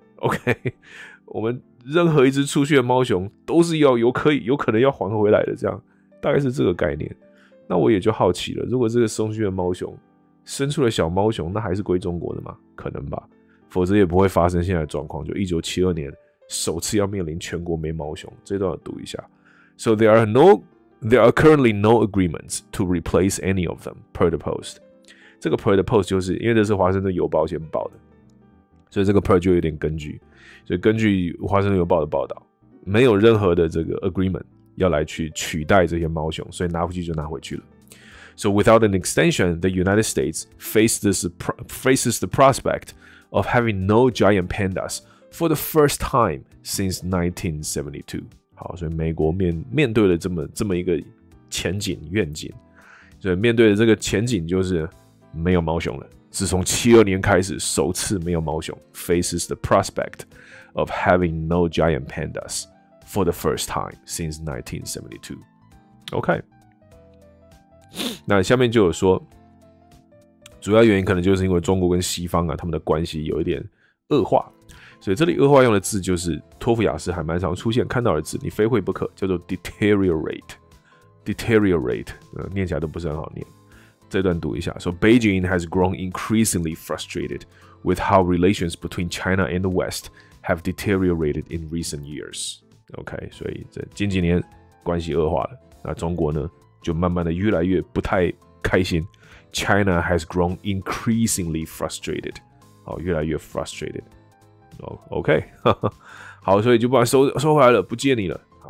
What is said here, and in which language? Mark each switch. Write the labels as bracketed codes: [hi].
[zh] OK， 我们任何一只出去的猫熊都是要有可能要还回来的，这样大概是这个概念。那我也就好奇了，如果这个送去的猫熊生出了小猫熊，那还是归中国的吗？可能吧，否则也不会发生现在的状况。就1972年首次要面临全国没猫熊，这段要读一下。 [en] So there are no. There are currently no agreements to replace any of them, per the post. [zh] 这个 [en] per the post [zh] 就是因为这是华盛顿邮报先报的，所以这个 per 就有点根据。所以根据华盛顿邮报的报道，没有任何的这个 agreement 要来去取代这些猫熊，所以拿回去就拿回去了。 [en] So without an extension, the United States faces the prospect of having no giant pandas for the first time since 1972. [zh] 好，所以美国 面对了这么一个前景愿景，所以面对的这个前景就是没有猫熊了。自从72年开始，首次没有猫熊 [en] ，faces the prospect of having no giant pandas for the first time since 1972. [zh] OK， 那下面就有说，主要原因可能就是因为中国跟西方啊，他们的关系有一点恶化，所以这里恶化用的字就是托福雅思还蛮常出现看到的字，你非会不可，叫做 deteriorate。 Deteriorate， 念起来都不是很好念。这段读一下 [en] ，So Beijing has grown increasingly frustrated with how relations between China and the West have deteriorated in recent years. [zh] OK， 所以这近几年关系恶化了。那中国呢，就慢慢的越来越不太开心。 [en] China has grown increasingly frustrated， [zh] 好，越来越 [en] frustrated。 [zh] OK， 好，所以就把收回来了，不借你了。